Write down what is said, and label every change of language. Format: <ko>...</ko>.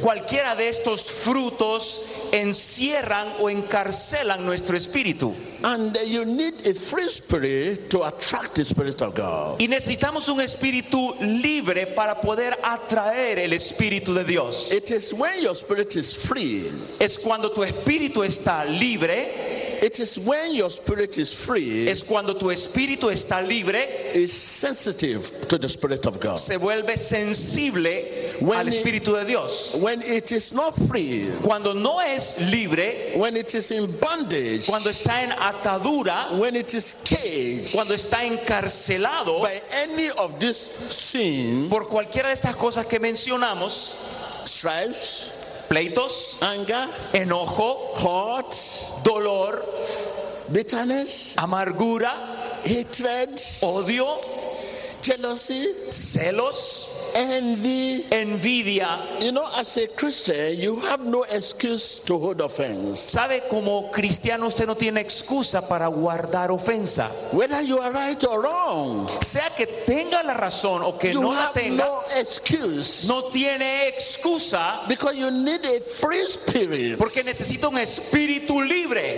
<es>Cualquiera de estos frutos encierran o encarcelan nuestro espíritu.</es> <en>And you need a free spirit to attract the spirit of God.</en> <es>Y necesitamos un espíritu libre para poder atraer el espíritu de Dios.</es> <en>It is when your spirit is free.</en> <es>Es cuando tu espíritu está libre.</es> <en>It is when your spirit is free.</en> <es>Es cuando tu espíritu está libre.</es> <en>Is sensitive to the spirit of God.</en> <es>Se vuelve sensible al espíritu de Dios.</es> <en>When it is not free.</en> <es>Cuando no es libre.</es> <en>When it is in bondage.</en> <es>Cuando está en atadura.</es> <en>When it is caged.</en> <es>Cuando está encarcelado.</es> <en>By any of this sin.</en> <es>Por cualquiera de estas cosas que mencionamos.</es> <en>Strife.</en> <es>Pleitos,</es> <en>anger,</en> <es>enojo,</es> <en>hurt,</en> <es>dolor,</es> <en>bitterness,</en> <es>amargura,</es> <en>hatred,</en> <es>odio,</es> <en>jealousy,</en> <es>celos,</es> <en>envy,</en> <es>envidia.</es> <en>You know, as a Christian, you have no excuse to hold offense.</en> <es>Sabe, como cristiano, usted no tiene excusa para guardar ofensa.</es> <en>Whether you are right or wrong,</en> <es>sea que tenga la razón o que no la tenga,</es> <en>you have no excuse.</en> <es>No tiene excusa,</es> <en>because you need a free spirit.</en> <es>Porque necesita un espíritu libre.</es>